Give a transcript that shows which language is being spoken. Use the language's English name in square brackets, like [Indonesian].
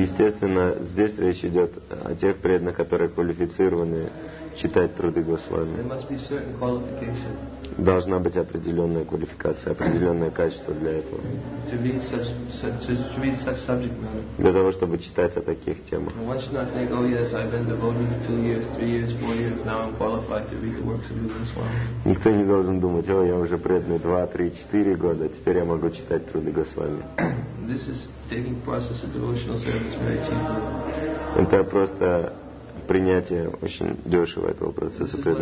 [Russian] Естественно, здесь речь идет о тех преданных, которые квалифицированы читать труды Госвами. [English] There must be certain qualification. [Russian] Должна быть определенная квалификация, определенное качество для этого. [English] To read such subject matter. [Russian] Для того, чтобы читать о таких темах. [English] And one should not think, oh yes, I've been devoted for 2 years, 3 years, 4 years, now I'm qualified to read the works of the Goswami. [Russian] Никто не должен думать, о, я уже преданный 2, 3, 4 года, теперь я могу читать труды Госвами. [English] This is taking process of devotional service very cheaply. [Russian] Это просто принятие очень дешево этого процесса.